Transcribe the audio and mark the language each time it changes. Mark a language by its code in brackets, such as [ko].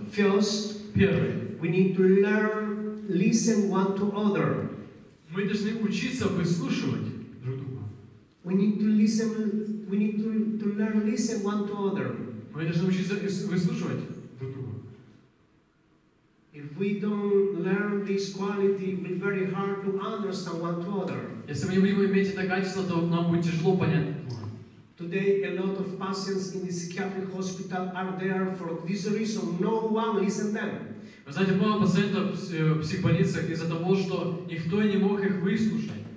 [en] First, [ru] первый. [en] We need to learn, listen one to other. [ru] Мы должны учиться выслушивать друг друга. [en] We need to listen, We need to learn listen one to other. [ru] Мы должны учиться выслушивать друг друга. [en] If we don't learn this quality, it will be very hard to understand one to other. [ru] Если мы не будем иметь это качество, то нам будет тяжело понять. [en] Today a lot of patients in the psychiatric hospital are there for this reason. No one listen them. [ru] Вы знаете, много пациентов в психбольницах из-за того, что никто не мог их выслушать.